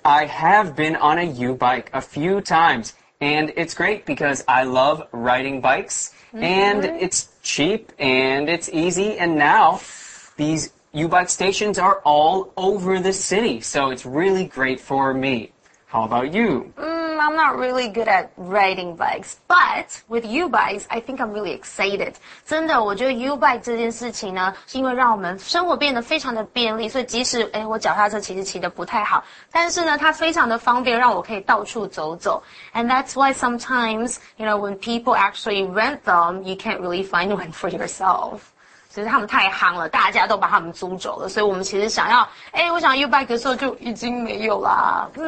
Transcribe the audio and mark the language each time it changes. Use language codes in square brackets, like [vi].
[en] I have been on a U-bike a few times And it's great because I love riding bikesAnd it's cheap and it's easy. And now these U-bike stations are all over the city. So it's really great for me. How about you? I'm not really good at riding bikes. But with U-bikes, I think I'm really excited. [zh] 真的我觉得 U-bike 这件事情呢是因为让我们生活变得非常的便利。所以即使我脚踏车其实骑得不太好。但是呢它非常的方便让我可以到处走走。 [en] And that's why sometimes, you know, when people actually rent them, you can't really find one for yourself. [zh] 就是他们太夯了大家都把他们租走了所以我们其实想要我想 U-bike 的时候就已经没有啦